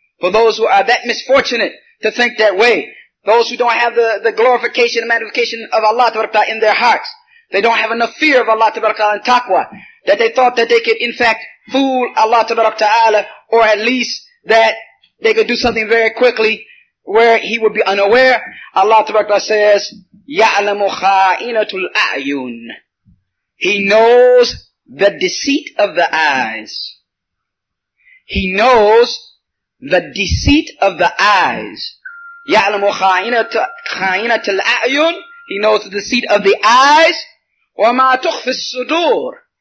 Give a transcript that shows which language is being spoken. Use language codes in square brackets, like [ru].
[en] For those who are that misfortunate to think that way. Those who don't have the glorification and magnification of Allah in their hearts. They don't have enough fear of Allah and taqwa. That they thought that they could in fact fool Allah ta'ala, or at least that they could do something very quickly where he would be unaware. Allah says, [ar] يَعْلَمُ خَائِنَةُ الْأَعْيُنِ. [en] He knows the deceit of the eyes. He knows the deceit of the eyes. [ar] يَعْلَمُ خَائِنَةُ الْأَعْيُنِ. [en] He knows the deceit of the eyes. [ar] وَمَا تُخْفِ الصُّدُورِ.